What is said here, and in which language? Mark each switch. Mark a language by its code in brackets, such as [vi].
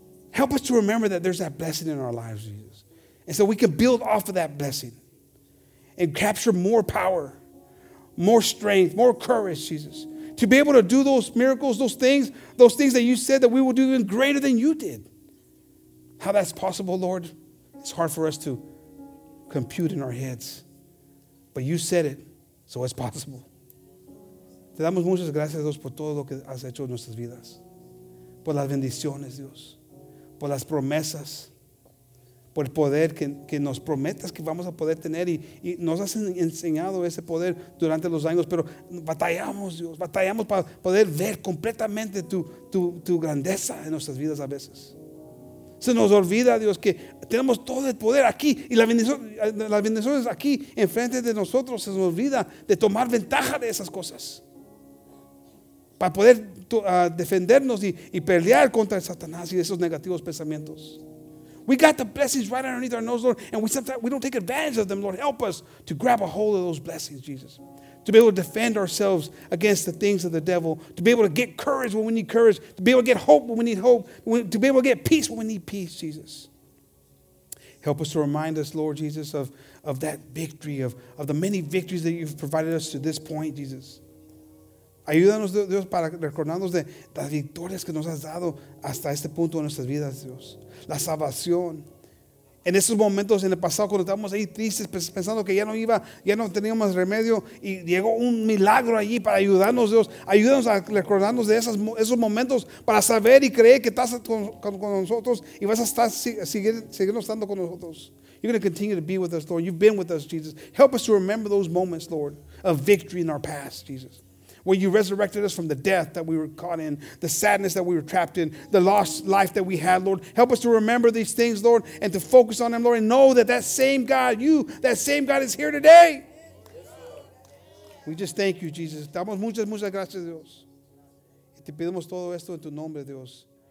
[en] Help us to remember that there's that blessing in our lives, Jesus. And so we can build off of that blessing and capture more power, more strength, more courage, Jesus, to be able to do those miracles, those things that you said that we will do even greater than you did. How that's possible, Lord, it's hard for us to compute in our heads. But you said it, so it's possible. [es] Te damos muchas gracias, Dios, por todo lo que has hecho en nuestras vidas. Por las bendiciones, Dios. Por las promesas. Por el poder que nos prometas que vamos a poder tener. Y nos has enseñado ese poder durante los años. Pero batallamos, Dios. Batallamos para poder ver completamente tu grandeza en nuestras vidas a veces. Se nos olvida, Dios, que tenemos todo el poder aquí. Y las bendiciones es aquí, enfrente de nosotros. Se nos olvida de tomar ventaja de esas cosas. Para poder defendernos y pelear contra Satanás y esos negativos pensamientos. [en] We got the blessings right underneath our nose, Lord, and we don't take advantage of them, Lord. Help us to grab a hold of those blessings, Jesus. To be able to defend ourselves against the things of the devil. To be able to get courage when we need courage. To be able to get hope when we need hope. To be able to get peace when we need peace, Jesus. Help us to remind us, Lord Jesus, of that victory, of the many victories that you've provided us to this point, Jesus. [es] Ayúdanos, Dios, para recordarnos de las victorias que nos has dado hasta este punto en nuestras vidas, Dios. La salvación. En esos momentos en el pasado, cuando estábamos ahí tristes, pensando que ya no teníamos remedio, y llegó un milagro allí para ayudarnos, Dios. Ayúdanos a recordarnos de esos momentos para saber y creer que estás con nosotros y vas a estar siguiendo estando con nosotros. [en] You're going to continue to be with us, Lord. You've been with us, Jesus. Help us to remember those moments, Lord, of victory in our past, Jesus. When you resurrected us from the death that we were caught in, the sadness that we were trapped in, the lost life that we had, Lord. Help us to remember these things, Lord, and to focus on them, Lord, and know that same God, you, that same God is here today. We just thank you, Jesus. [es] Damos muchas, muchas gracias, Dios. Te pedimos todo esto en tu nombre, Dios.